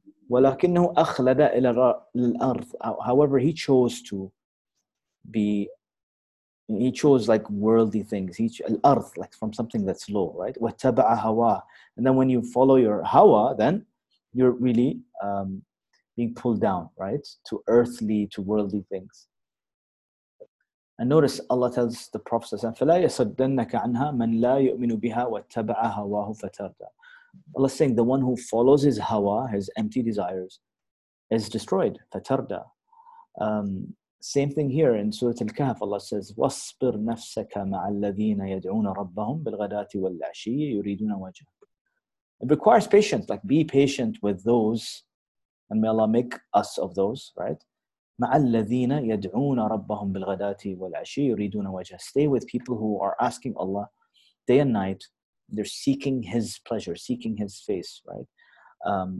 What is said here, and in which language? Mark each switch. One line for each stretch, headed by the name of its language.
Arabic: وَلَكِنَّهُ أَخْلَدَ إِلَى الْأَرْضِ,
English: however, he chose to be, he chose like worldly things, al-ard, like from something that's low, right?
Arabic: وَتَّبَعَ هَوَىٰ,
English: and then when you follow your hawa, then you're really being pulled down, right? To earthly, to worldly things. And notice Allah tells the Prophet,
Arabic: فَلَا يَصَدَّنَّكَ عَنْهَا مَنْ لَا يُؤْمِنُ بِهَا وَاتَّبَعَ هَوَاهُ فَتَرْدَىٰ.
English: Allah is saying the one who follows his hawa, his empty desires, is destroyed.
Arabic: فَتَرْدَىٰ.
English: Same thing here in Surah Al-Kahf, Allah says,
Arabic: وَاصْبِرْ نَفْسَكَ مَعَ الَّذِينَ يَدْعُونَ رَبَّهُمْ بِالْغَدَاتِ وَالْعَشِيِّ يُرِيدُونَ وَجْهَ.
English: It requires patience, like be patient with those, and may Allah make us of those, right?
Arabic: مَعَ الَّذِينَ يَدْعُونَ رَبَّهُمْ بِالْغَدَاتِ وَالْعَشِيِّ يُرِيدُونَ وَجْهَ.
English: Stay with people who are asking Allah day and night. They're seeking His pleasure, seeking His face, right?